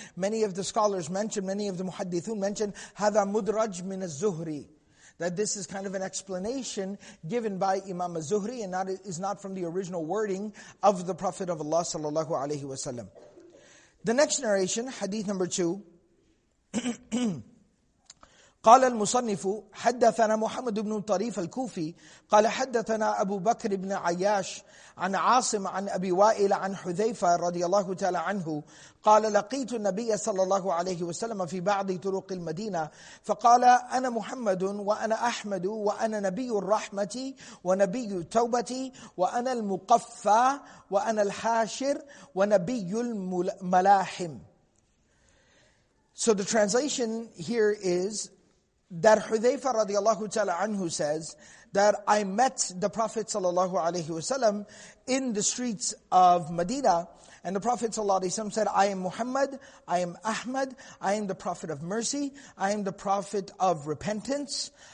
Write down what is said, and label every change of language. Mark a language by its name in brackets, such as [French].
[English] Many of the scholars mentioned, many of the muhaddithun mentioned, [Arabic] هَذَا مُدْرَجْ مِنَ الزُّهْرِ, [English] that this is kind of an explanation given by Imam Az-Zuhri and is not from the original wording of the Prophet of Allah sallallahu alaihi wasallam. The next narration, hadith number 2. [Arabic] قال المصنف حدثنا محمد بن طريف الكوفي قال حدثنا أبو بكر بن عياش عن عاصم عن أبي وائل عن حذيفة رضي الله تعالى عنه قال لقيت النبي صلى الله عليه وسلم في بعض طرق المدينة فقال أنا محمد وأنا أحمد وأنا نبي الرحمة ونبي التوبة وأنا المقفى وأنا الحاشر ونبي الملاحم. [English] So the translation here is that حذيفة رضي الله تعالى عنه says that I met the Prophet sallallahu alaihi wasallam in the streets of Medina, and the Prophet sallallahu alaihi wasallam said, I am Muhammad, I am Ahmad, I am the Prophet of mercy, I am the Prophet of repentance,